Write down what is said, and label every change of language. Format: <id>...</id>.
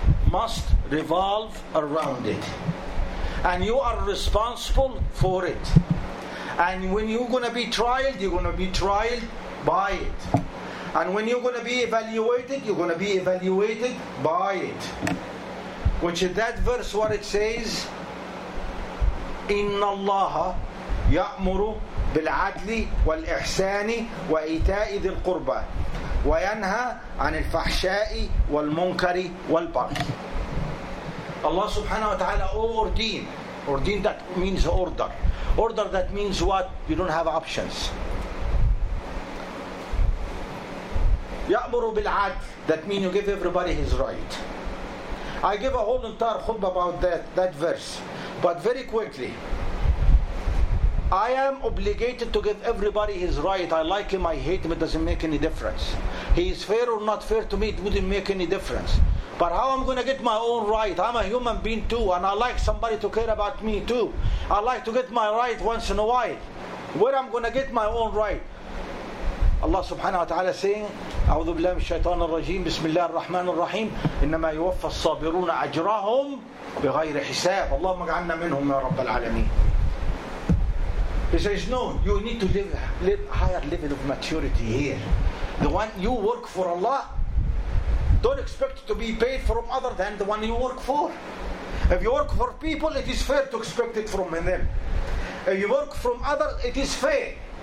<en>Must revolve around it. And you are responsible for it. And when you're going to be trialed, you're going to be trialed by it. And when you're going to be evaluated, you're going to be evaluated by it. Which is that verse what it says,</en> <ar>إِنَّ اللَّهَ يَأْمُرُ بِالْعَدْلِ وَالْإِحْسَانِ وَإِيْتَاءِ ذِي الْقُرْبَى وَيَنْهَى عَنِ الْفَحْشَاءِ وَالْمُنْكَرِ وَالْبَغْيِ.</ar> <en>Allah subhanahu wa ta'ala ordain. Ordain, that means order. Order, that means what? You don't have options.</en> <ar>يَأْمُرُ بِالْعَدْلِ,</ar> <en>that means you give everybody his right. I give a whole entire khutbah about that verse. But very quickly, I am obligated to give everybody his right. I like him, I hate him, it doesn't make any difference. He is fair or not fair to me, it wouldn't make any difference. But how am I going to get my own right? I'm a human being too, and I like somebody to care about me too. I like to get my right once in a while. Where am I going to get my own right?</en> <ar>Allah subhanahu wa ta'ala saying, أعوذ بالله من الشيطان الرجيم, بسم الله الرحمن الرحيم, إنما يوفى الصابرون أجرهم بغير حساب. اللهم اجعلنا منهم يا رب العالمين.</ar> <en>He says, no, you need to live higher level of maturity here. The one you work for Allah, don't expect to be paid from other than the one you work for. If you work for people, it is fair to expect it from them. If you work from others, it is fair.</en>